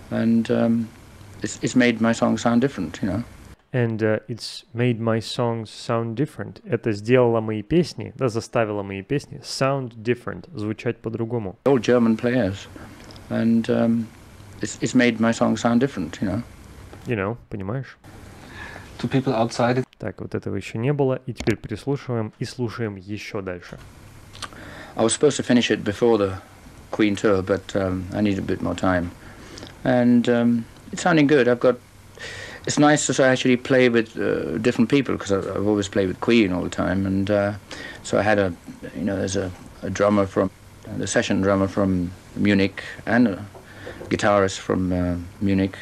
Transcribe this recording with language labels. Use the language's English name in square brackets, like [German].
[English] And it's made my song sound different, you know. And it's made my songs sound different. [Russian] Это сделало мои песни, да, заставило мои песни [English] sound different, [Russian] звучать по-другому. [English] All German players, and it's made my song sound different, you know. You know, [Russian] понимаешь? [English] To people outside. [Russian] Так, вот этого еще не было, и теперь переслушиваем и слушаем еще дальше. [English] I was supposed to finish it before the Queen tour, but I need a bit more time. And it's sounding good. I've got. It's nice to actually play with different people, because I've always played with Queen all the time, and so I had a, you know, there's a drummer from, the session drummer from Munich, and a guitarist from Munich.